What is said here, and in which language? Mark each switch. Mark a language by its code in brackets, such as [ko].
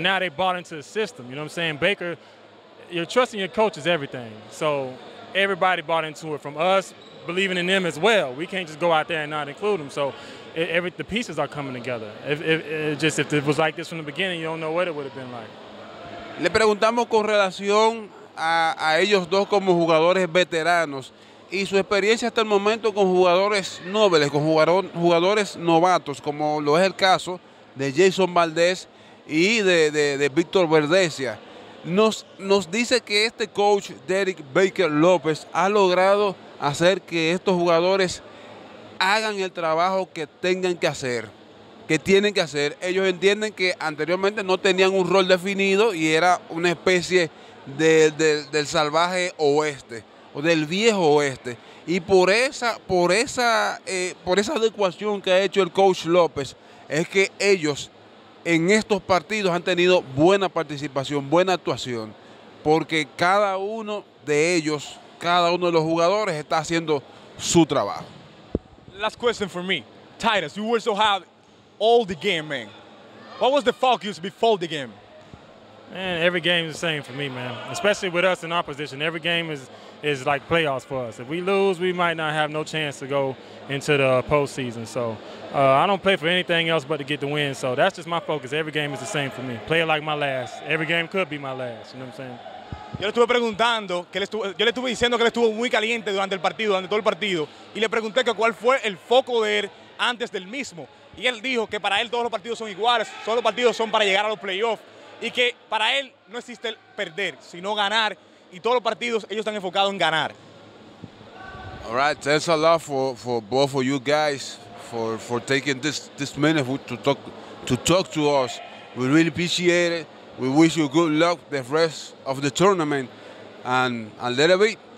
[en] But now they bought into the system, you know what I'm saying? Baker, you're trusting your coach is everything. So everybody bought into it, from us believing in them as well. We can't just go out there and not include them. So the pieces are coming together. If it was like this from the beginning, you don't know what it would have been like. [es] Le preguntamos con relación a ellos dos como jugadores veteranos y su experiencia hasta el momento con jugadores nobles, con jugadores novatos, como lo es el caso de Jason Valdez y de Víctor Verdesia. Nos dice que este coach, Derek Baker López, ha logrado hacer que estos jugadores hagan el trabajo que tengan que hacer, que tienen que hacer. Ellos entienden que anteriormente no tenían un rol definido y era una especie del salvaje oeste o del viejo oeste. Y por esa adecuación que ha hecho el coach López es que ellos en estos partidos han tenido buena participación, buena actuación, porque cada uno de ellos, cada uno de los jugadores está haciendo su trabajo. [en] Last question for me. Tyrus, you were so hot all the game, man. What was the focus before the game? Man, every game is the same for me, man. Especially with us in opposition. Every game is like playoffs for us. If we lose, we might not have no chance to go into the postseason. So I don't play for anything else but to get the win. So that's just my focus. Every game is the same for me. Play it like my last. Every game could be my last. You know what I'm saying? [es] Yo le estuve preguntando, yo le estuve diciendo que él estuvo muy caliente durante el partido, durante todo el partido, y le pregunté que cuál fue el foco de él antes del mismo. Y él dijo que para él todos los partidos son iguales, todos los partidos son para llegar a los playoffs, y que para él no existe el perder, sino ganar, y todos los partidos ellos están enfocados en ganar. [en] All right, thanks a lot for both of you guys for taking this minute to talk to us. We really appreciate it. We wish you good luck the rest of the tournament, and let it be.